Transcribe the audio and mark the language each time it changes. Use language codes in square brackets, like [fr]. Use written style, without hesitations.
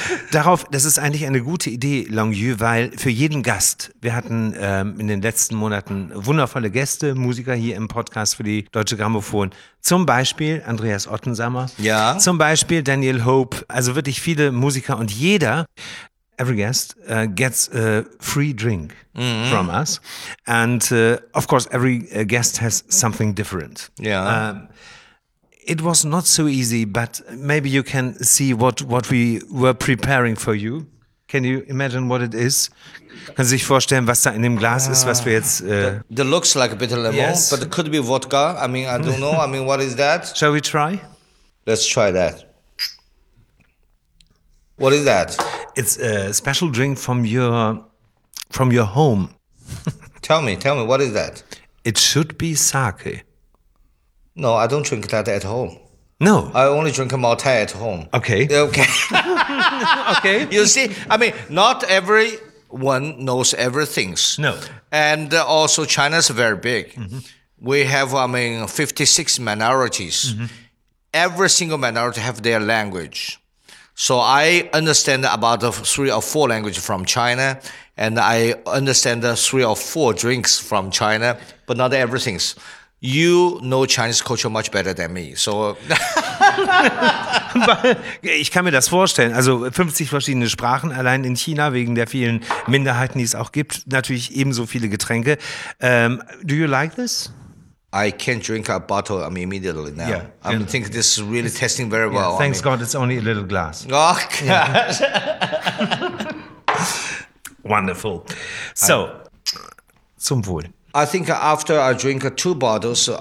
[de] Darauf, das ist eigentlich eine gute Idee, Longueux, weil für jeden Gast, wir hatten in den letzten Monaten wundervolle Gäste, Musiker hier im Podcast für die Deutsche Grammophon. Zum Beispiel Andreas Ottensammer. Ja. Zum Beispiel Daniel Hope. Also wirklich viele Musiker und jeder... [en] Every guest gets a free drink from us. And of course, every guest has something different. Yeah. It was not so easy, but maybe you can see what we were preparing for you. Can you imagine what it is? [de] Kann sich vorstellen, was da in dem Glas ist, was wir jetzt... [en] It looks like a bitter lemon, yes. But it could be vodka. I mean, I don't know. I mean, what is that? Shall we try? Let's try that. What is that? It's a special drink from your home. tell me, what is that? It should be sake. No, I don't drink that at home. No. I only drink Maltai at home. Okay. Okay. You see, I mean, not everyone knows everything. No. And also, China's very big. Mm-hmm. We have, 56 minorities. Mm-hmm. Every single minority have their language. So I understand about three or four languages from China, and I understand three or four drinks from China, but not everything. You know Chinese culture much better than me. So [de] ich kann mir das vorstellen. Also 50 verschiedene Sprachen allein in China, wegen der vielen Minderheiten, die es auch gibt. Natürlich ebenso viele Getränke. [en] Do you like this? I can't drink a bottle immediately now. Yeah. I think this is really tasting very well. Yeah, thanks God, it's only a little glass. Oh, God. Yeah. Wonderful. So, [de] zum Wohl. [en] I think after I drink two bottles,